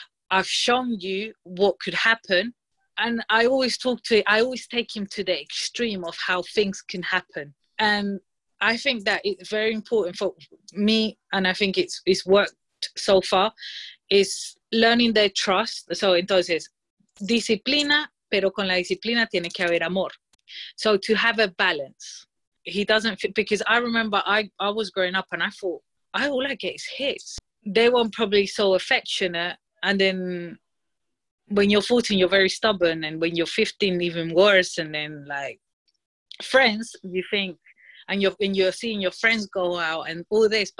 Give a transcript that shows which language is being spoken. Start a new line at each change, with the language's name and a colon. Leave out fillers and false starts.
English: I've shown you what could happen. And I always talk to him. I always take him to the extreme of how things can happen. And I think that it's very important for me. And I think it's worked so far. Is learning their trust.
Spanish: So, entonces, disciplina. Pero con la disciplina tiene que haber amor.
English: So to have a balance, he doesn't fit, because I remember I was growing up and I thought, all I get is hits. They weren't probably so affectionate. And then when you're 14, you're very stubborn. And when you're 15, even worse. And then, like, friends, you think, and you're seeing your friends go out and all this.